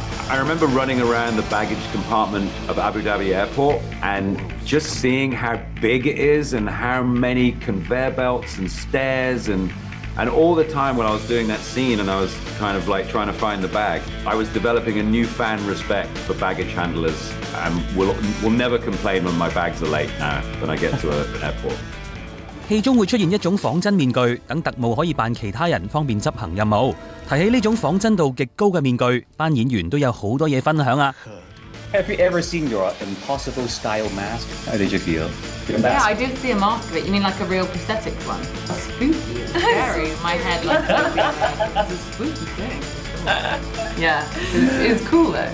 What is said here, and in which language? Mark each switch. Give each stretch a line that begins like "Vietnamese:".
English: I remember running around the baggage compartment of Abu Dhabi Airport and just seeing how big it is and how many conveyor belts and stairs and all the time when I was doing that scene and I was kind of like trying to find the bag, I was developing a newfound respect for baggage handlers and will never complain when my bags are late now when I get to an airport.
Cantonese: 戏中会出现一种仿真面具，等特务可以扮其他人，方便执行任务。提起呢种仿真度极高嘅面具，班演员都有好多嘢分享啊！
English: Have you ever seen your impossible style mask? How did you feel? Yeah, I did see a mask of it. You mean like a real prosthetic one? A spooky, scary. My head like it's a spooky thing. Yeah, it's cool though.